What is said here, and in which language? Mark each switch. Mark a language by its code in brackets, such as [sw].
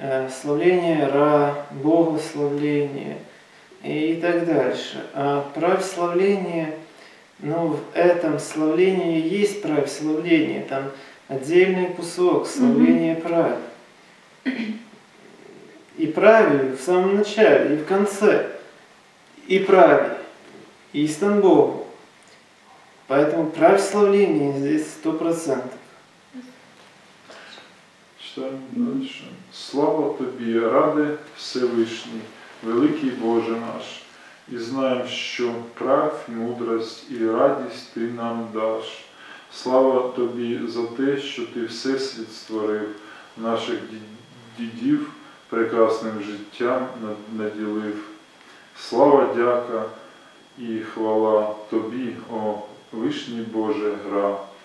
[uk] Славлення Ра, Богославлення і так далі. А православлення, ну, в цьому славлення є православлення, [ru] там отдельный кусок славления прави. И прави в самом начале, и в конце. И прави. И истан Богу. Поэтому прави славление здесь 100%. Читаем дальше. Слава Тобі, Ради Всевышний, Великий Боже наш. И знаем, что прави, мудрость и радость Ты нам дашь. [uk] Слава тобі за те, що ти Всесвіт створив, наших дідів прекрасним життям наділив. Слава, дяка і хвала тобі, о Вишній Боже, гра.